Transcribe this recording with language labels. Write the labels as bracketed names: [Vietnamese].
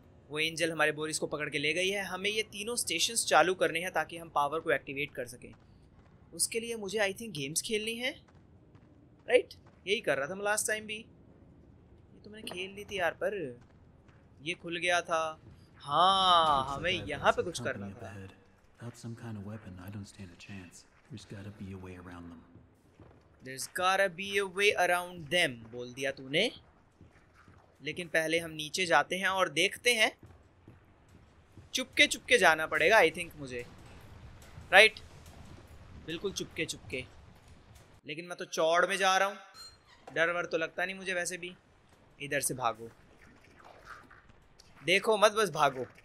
[Hindi] वो एंजल हमारे बोरिस को पकड़ के ले गई है। हमें ये तीनों स्टेशंस चालू करने हैं ताकि हम पावर को एक्टिवेट कर सकें। उसके लिए मुझे [English] I think [Hindi] गेम्स खेलनी है, राइट? यही कर रहा था मैं लास्ट टाइम भी। ये तो मैंने खेल ली थी यार, पर ये खुल गया था। हाँ, हमें यहाँ पर कुछ करना था। [English] Without some kind of weapon, I don't stand a chance. There's gotta be a way around them. There's gotta be a way around them, [Hindi] बोल दिया तूने। लेकिन पहले हम नीचे जाते हैं और देखते हैं। चुपके चुपके जाना पड़ेगा [English] I think [Hindi] मुझे, राइट? बिल्कुल चुपके चुपके। लेकिन मैं तो चौड़ में जा रहा हूँ, डर वर तो लगता नहीं मुझे वैसे भी। इधर से भागो, देखो मत, बस भागो।